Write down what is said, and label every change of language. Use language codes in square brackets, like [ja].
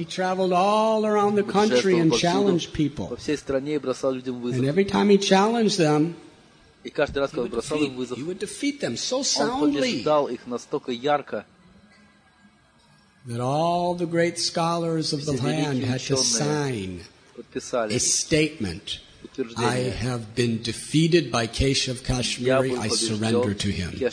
[en] He traveled all around the country and challenged people. [ru] По всей стране и бросал людям вызов. [en] And every time he challenged them, [ru] и каждый раз, когда бросал им вызов, [en] he would defeat them so soundly. [ru] Он побеждал их настолько ярко, [en] that all the great scholars of the land had to sign a statement. I have been defeated by Keshav Kashmiri. I surrender to him.